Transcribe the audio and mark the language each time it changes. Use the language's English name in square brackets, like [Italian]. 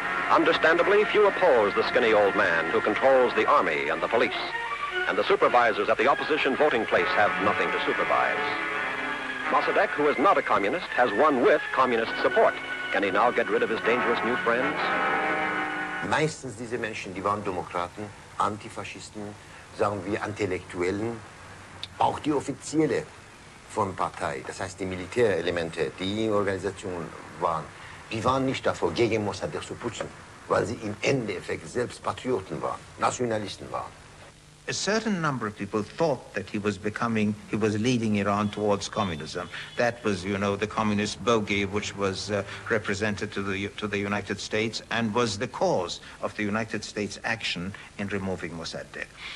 [English] Understandably, few oppose the skinny old man who controls the army and the police, and the supervisors at the opposition voting place have nothing to supervise. Mossadegh, who is not a communist, has won with communist support. Can he now get rid of his dangerous new friends? [German] Meistens diese Menschen, die waren Demokraten, Antifaschisten, sagen wir Intellektuellen, auch die Offizielle von Partei, das heißt die Militärelemente, die in Organisation waren, die waren nicht davor, gegen Mossadegh zu putzen, weil sie im Endeffekt selbst Patrioten waren, Nationalisten waren. [English] A certain number of people thought that he was leading Iran towards communism. That was, you know, the communist bogey which was represented to the United States and was the cause of the United States action in removing Mossadegh.